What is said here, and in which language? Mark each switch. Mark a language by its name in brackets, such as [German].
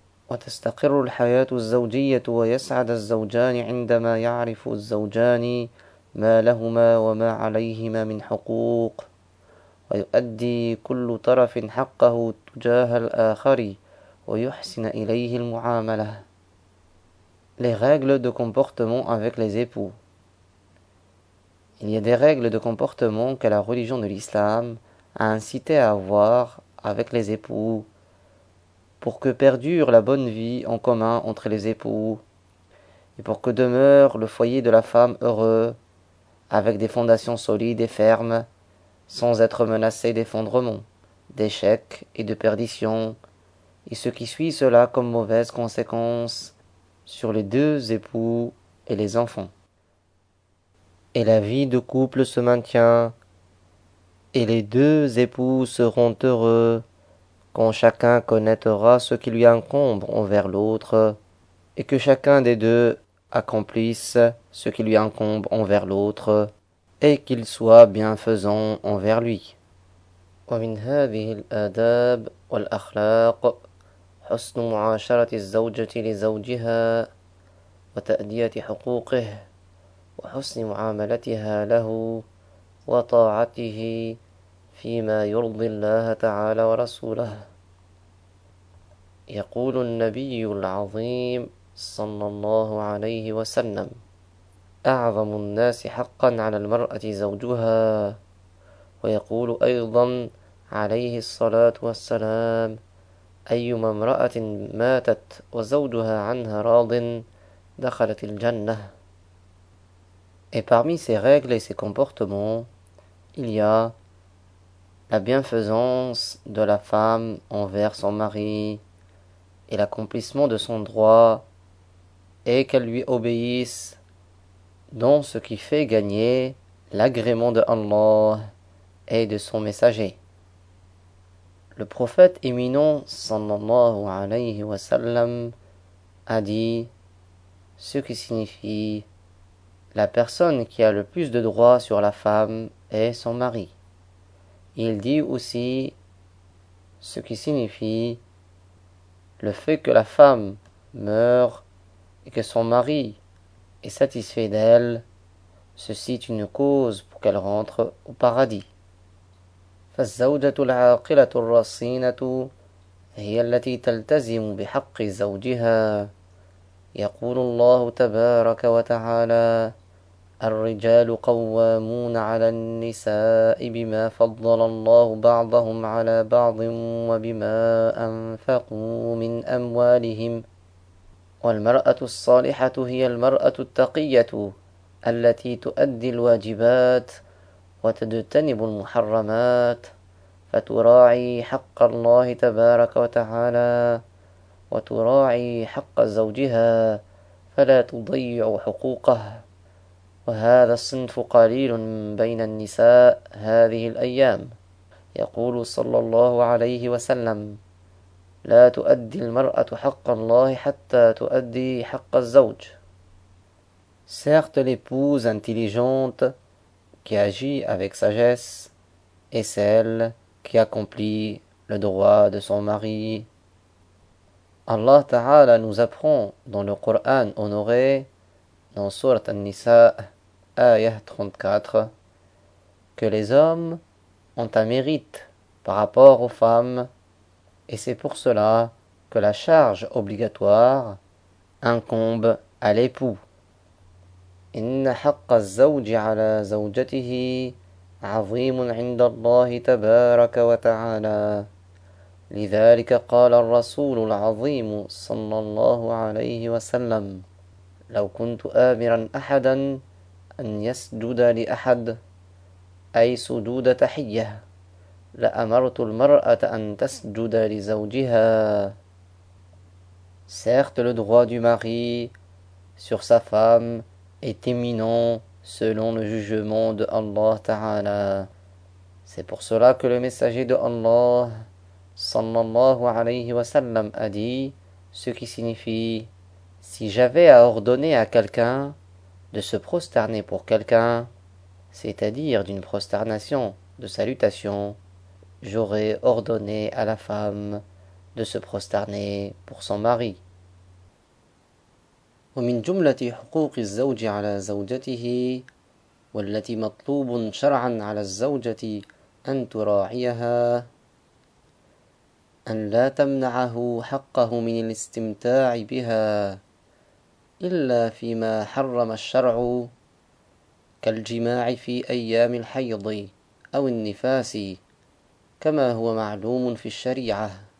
[Arabic] وتستقر الحياة الزوجية ويسعد الزوجان عندما يعرف الزوجان ما لهما وما عليهما من حقوق، ويؤدي كل طرف حقه تجاه الآخر ويحسن إليه المعاملة. [French] Les règles de comportement avec les époux. Il y a des règles de comportement que la religion de l'islam a incité à avoir avec les époux, pour que perdure la bonne vie en commun entre les époux, et pour que demeure le foyer de la femme heureux, avec des fondations solides et fermes, sans être menacé d'effondrement, d'échec et de perdition, et ce qui suit cela comme mauvaise conséquence sur les deux époux et les enfants. Et la vie de couple se maintient, et les deux époux seront heureux, quand chacun connaîtra ce qui lui incombe envers l'autre, et que chacun des deux accomplisse ce qui lui incombe envers l'autre, et qu'il soit bienfaisant envers lui. [Arabic] ومن هذه الآداب والأخلاق حسن معاشرة الزوجة لزوجها وتأدية حقوقه وحسن معاملتها له وطاعته فيما يرضي الله تعالى ورسوله. يقول النبي العظيم صلى الله عليه وسلم: أعظم الناس حقا على المرأة زوجها. ويقول أيضا عليه الصلاة والسلام: أيما امرأة ماتت وزوجها عنها راض دخلت الجنة. [French] Et parmi ces règles et ces comportements, il y a la bienfaisance de la femme envers son mari et l'accomplissement de son droit et qu'elle lui obéisse dans ce qui fait gagner l'agrément de Allah et de son messager. Le prophète éminent sallallahu alayhi wa sallam a dit ce qui signifie la personne qui a le plus de droits sur la femme est son mari. Il dit aussi ce qui signifie le fait que la femme meure et que son mari est satisfait d'elle, ceci est une cause pour qu'elle rentre au paradis. [Arabic] فالزوجة العاقلة الرصينة هي التي تلتزم بحق زوجها. يقول الله تبارك وتعالى: الرجال قوامون على النساء بما فضل الله بعضهم على بعض وبما أنفقوا من أموالهم. والمرأة الصالحة هي المرأة التقية التي تؤدي الواجبات وتجتنب المحرمات فتراعي حق الله تبارك وتعالى وتراعي حق زوجها فلا تضيع حقوقه. وهذا الصنف قليل بين النساء هذه الأيام. يقول صلى الله عليه وسلم: لا تؤدي المرأة حق الله حتى تؤدي حق الزوج. [French] Certes, l'épouse intelligente qui agit avec sagesse est celle qui accomplit le droit de son mari. Allah Ta'ala nous apprend dans le Coran honoré, dans Sourate An-Nisa, ayah 34, que les hommes ont un mérite par rapport aux femmes, et c'est pour cela que la charge obligatoire incombe à l'époux. [Arabic] إن حق الزوج على زوجته عظيم عند الله تبارك وتعالى. لذلك قال الرسول العظيم صلى الله عليه وسلم: لو كنت آمرا أحدا أن يسجد لأحد، أي سجود تحية، لأمرت المرأة أن تسجد لزوجها. [French] Certes, le droit du mari sur sa femme est éminent selon le jugement de Allah Ta'ala. C'est pour cela que le messager de Allah sallallahu alayhi wa sallam a dit ce qui signifie: si j'avais à ordonner à quelqu'un de se prosterner pour quelqu'un, c'est-à-dire d'une prosternation de salutation, j'aurais ordonné à la femme de se prosterner pour son mari. [Arabic] ومن جملة حقوق الزوج على زوجته والتي مطلوب شرعا على الزوجة أن تراعيها أن لا تمنعه حقه من الاستمتاع بها إلا فيما حرم الشرع كالجماع في أيام الحيض أو النفاس كما هو معلوم في الشريعة